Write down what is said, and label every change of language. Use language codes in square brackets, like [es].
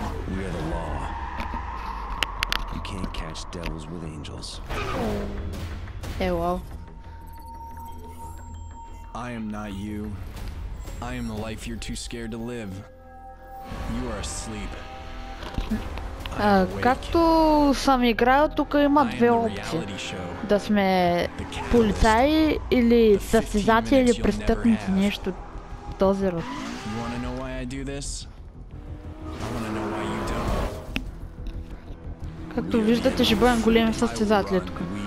[en] We are the law. You can't catch devils with angels. Hello. I am not you. I am the life you're too scared to live. You are asleep. [bg] Както съм играл, тук има две опции. Да сме полицаи или състезатели или престъпници, нещо този род. [en] You wanna know why I do this? I wanna know why you don't. [bg] Както виждате, ще бъдем големи състезатели тук.